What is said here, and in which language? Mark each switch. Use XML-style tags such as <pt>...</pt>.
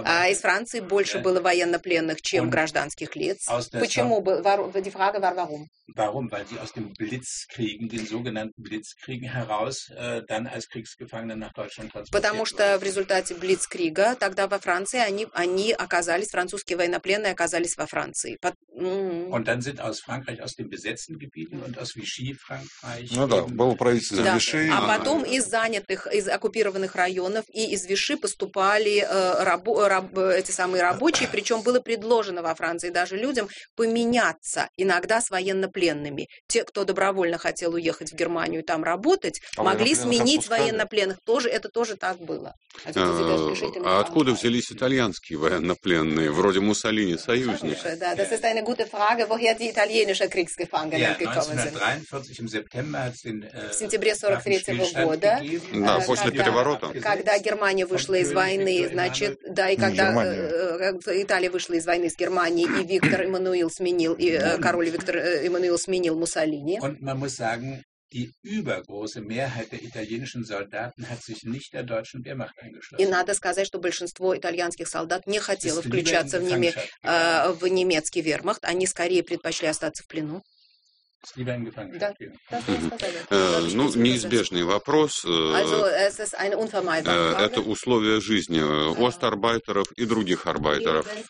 <ru>Из Франции больше было военнопленных, чем гражданских лиц. Почему?</ru> <de>Die Frage war, warum? Warum? Weil sie aus dem Blitzkriegen, den sogenannten Blitzkriegen heraus, dann als Kriegsgefangene nach Deutschland transportiert wurden.</de> <ru>Потому что в результате Блицкрига тогда во Франции они оказались, французские военнопленные оказались во Франции.</ru> <de>Und dann sind aus Frankreich, aus den besetzten Gebieten und aus Vichy Frankreich.</de> <ru>Ну да, было правительство Виши. А потом из занятых, из оккупированных районов и из Виши поступали эти самые рабочие, причем было предложено во Франции даже людям поменяться иногда с военнопленными. Те, кто добровольно хотел уехать в Германию и там работать, могли сменить военнопленных. Тоже, это тоже так было. А откуда взялись итальянские военнопленные? Вроде Муссолини союзник.</ru> <de>Eine gute Frage, woher die italienischen Kriegsgefangenen gekommen sind. 1943, im September hat es den,</de> <ru>в сентябре 43-го года, да, после переворота, когда Германия вышла из войны, значит, да, и когда Италия вышла из войны с Германией, и Виктор Эммануил сменил, и король Виктор Эммануил сменил Муссолини.</ru> <de>Und man muss sagen, die übergroße Mehrheit der italienischen Soldaten hat sich nicht der deutschen Wehrmacht angeschlossen.</de> <ru>И надо сказать, что большинство итальянских солдат не хотело включаться в ними, в немецкий вермахт. Они скорее предпочли остаться в плену. Ну, неизбежный вопрос. Это условия жизни остарбайтеров и других арбайтеров.</ru>